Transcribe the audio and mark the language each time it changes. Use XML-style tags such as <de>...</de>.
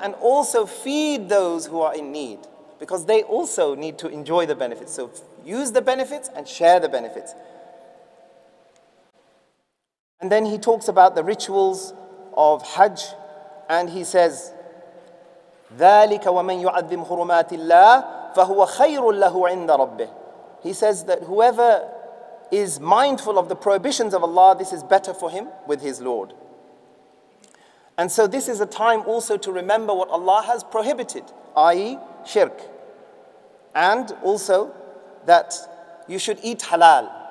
<en>And also feed those who are in need. Because they also need to enjoy the benefits. So use the benefits and share the benefits. And then he talks about the rituals of Hajj. And he says,</en> <ar>ذلك ومن يعظم حرمات الله فهو خير له عند ربه.</ar> <en>He says that whoever is mindful of the prohibitions of Allah, this is better for him with his Lord. And so this is a time also to remember what Allah has prohibited, i.e. shirk. And also that you should eat halal.</en>